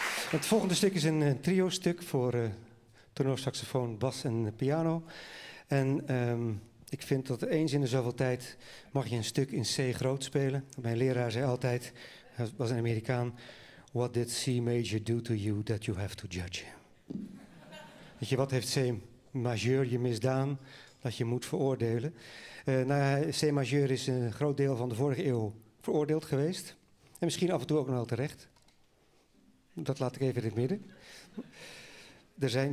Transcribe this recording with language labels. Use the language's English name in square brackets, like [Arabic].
[Dutch] Het volgende stuk is een trio-stuk voor tenor, saxofoon, bas en piano. En ik vind dat eens in de zoveel tijd mag je een stuk in C groot spelen. Mijn leraar zei altijd, hij was een Amerikaan... [English] What did C major do to you that you have to judge him? [Dutch] Weet je, wat heeft C majeur je misdaan dat je moet veroordelen? C majeur is een groot deel van de vorige eeuw veroordeeld geweest. En misschien af en toe ook nog wel terecht. Dat laat ik even in het midden.